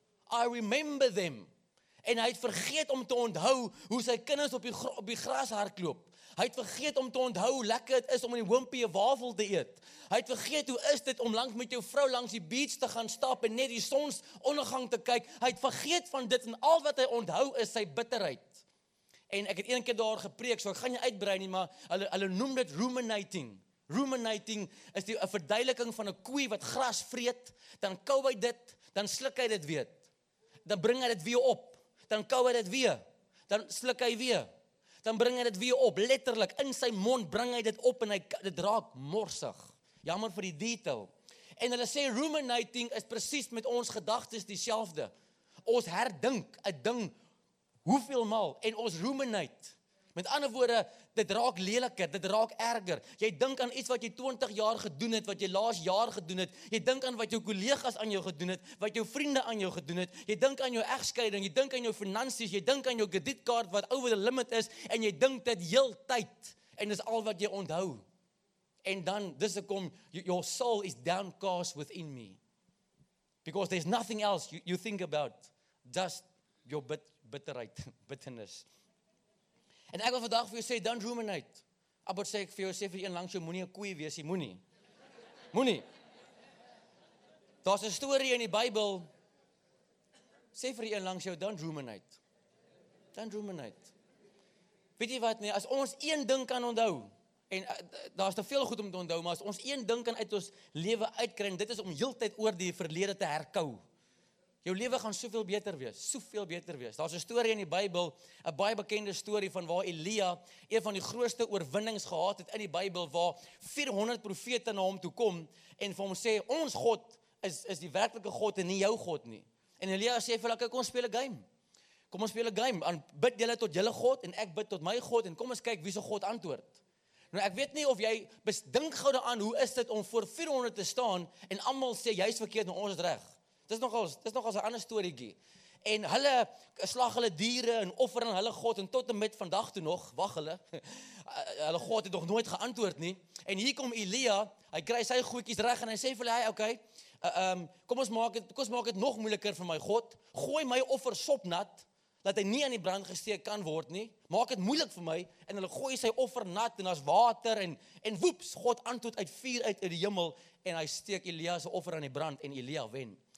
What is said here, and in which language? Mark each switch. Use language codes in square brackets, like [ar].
[af] I remember them. En hy het vergeet om te onthou hoe sy kinders op die gras hardloop. Hy het vergeet om te onthou hoe lekker het is om in die hoompie 'n wafel te eet. Hy het vergeet hoe is dit om langs met jou vrou langs die beach te gaan stap en net die sonsondergang te kyk. Hy het vergeet van dit en al wat hy onthou is sy bitterheid. En ek het een keer daar gepreek, so ek gaan nie uitbrei nie, maar hulle noem dit ruminating. Ruminating is die verduideliking van 'n koe wat gras vreet, dan kou hy dit, dan sluk hy dit weer. Dan bring hy dit weer op, dan kou hy dit weer, dan sluk hy weer. Dan bring hy dit weer op, letterlik, in sy mond bring hy dit op en dit raak morsig. Jammer vir die detail. En hulle sê ruminating is precies met ons gedagtes dieselfde. Ons herdink 'n ding hoeveel maal en ons ruminate. Met ander woorde, dit raak leliker, dit raak erger. Jy dink aan iets wat jy 20 jaar gedoen het, wat jy laas jaar gedoen het. Jy dink aan wat jou kollegas aan jou gedoen het, wat jou vriende aan jou gedoen het. Jy dink aan jou egskeiding, jy dink aan jou finansies, jy dink aan jou kredietkaart wat over the limit is, en jy dink dit heeltyd, en dis al wat jy onthou. [en] En dan, dis ek kom, your soul is downcast within me. Because there's nothing else you think about, just your bitterheid, bitterness. [af] En ek wil vandag vir jou sê, don't ruminate. Abbot sê ek vir jou, sê vir een langs jou, moenie 'n koeie wees, moenie. Moenie. Daar's 'n storie in die Bybel, sê vir een langs jou, don't ruminate. [en] Don't ruminate. [af] Weet jy wat nie, as ons een ding kan onthou, en daar's te veel goed om te onthou, maar as ons een ding kan uit ons lewe uitkry, dit is om heeltyd oor die verlede te herkou. Jou lewe gaan soveel beter wees, soveel beter wees. Daar's 'n storie in die Bybel, 'n baie bekende storie van waar Elia een van die grootste oorwinnings gehad het in die Bybel, waar 400 profete na hom toe kom en vir hom sê, ons God is die werklike God en nie jou God nie. En Elia sê vir hulle, kyk, ons speel 'n game. Kom ons speel 'n game, aan bid julle tot julle God en ek bid tot my God en kom ons kyk wie se God antwoord. Nou ek weet nie of jy dink gou daaraan hoe is dit om voor 400 te staan en almal sê jy's verkeerd en ons is reg. Dis nogal 'n ander storieetjie. En hulle slag hulle diere en offer aan hulle God en tot en met vandag toe nog wag hulle. Hulle God het nog nooit geantwoord nie. En hier kom Elia, hy kry sy goedjies reg en hy sê vir hulle, "Hey, okay. Kom ons maak dit nog moeiliker vir my God. Gooi my offer sopnat." Dat hy nie aan die brand gesteek kan word nie, maak het moeilik vir my, en hulle gooi sy offer nat, en as water, en woeps, God antwoord uit vuur uit die hemel, en hy steek Elia se offer aan die brand, en Elia wen.